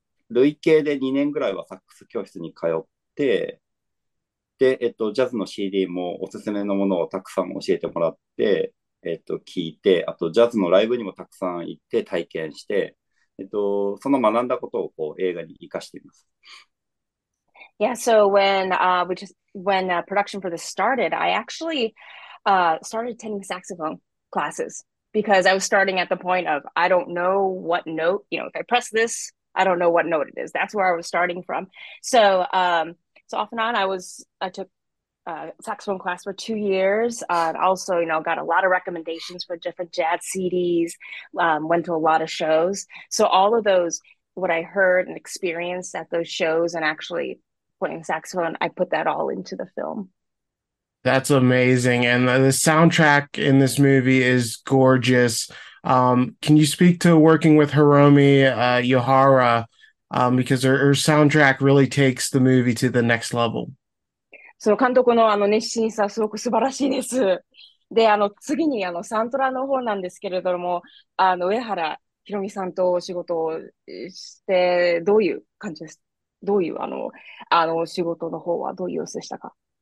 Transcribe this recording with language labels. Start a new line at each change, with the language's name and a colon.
Japanese: 累計で2年ぐらいはサックス教室に通って、で、ジャズの CD もおすすめのものをたくさん教えてもらって、聞いて、あと、ジャズのライブにもたくさん行って体験して、その学んだことをこう映画に生かしています。
English: Yeah, so when production for this started, I actually started taking saxophone classes because I was starting at the point of I don't know what note, you know, if I press this, I don't know what note it is. That's where I was starting from. So off and on, I took saxophone class for 2 years. Also, you know, got a lot of recommendations for different jazz CDs, went to a lot of shows. So all of those, what I heard and experienced at those shows and actually playing saxophone, I put that all into the film. That's amazing. And the soundtrack in this movie is gorgeous. Can you speak to working with Hiromi Yohara? Because her soundtrack really takes the movie to the next level.
Japanese: その監督の熱心さすごく素晴らしいです。で、次にサントラの方なんですけれども、上原ひろみさんとお仕事をして、どういう感じです？どういう、仕事の方はどういう様子でしたか？